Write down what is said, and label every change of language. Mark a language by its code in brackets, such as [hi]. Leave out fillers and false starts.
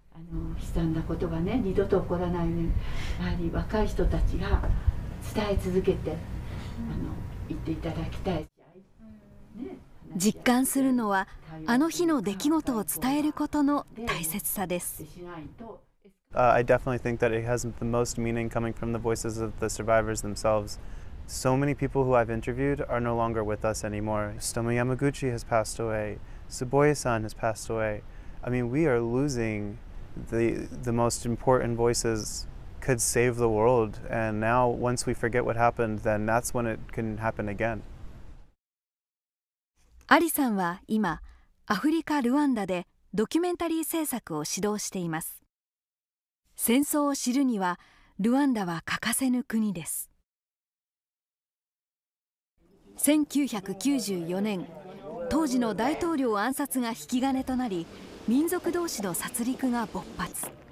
[ja] 悲惨なことがね、二度と起こらないように、やはり若い人たちが伝え続けて、言っていただきたい。ね、実感するのは、あの日の出来事を伝えることの大切さです。 [en] I definitely think that it has the most meaning coming from the voices of the survivors themselves. So many people who I've interviewed are no longer with us anymore. Stomo Yamaguchi has passed away. Tsuboya-san has passed away. I mean, we are losing... The most important voices could save the world. And now, once we forget what happened, then that's when it can happen again. [ja] アリさんは今、アフリカ・ルワンダでドキュメンタリー制作を指導しています。戦争を知るには、ルワンダは欠かせぬ国です。 1994年、当時の大統領暗殺が引き金となり、民族同士の殺戮が勃発。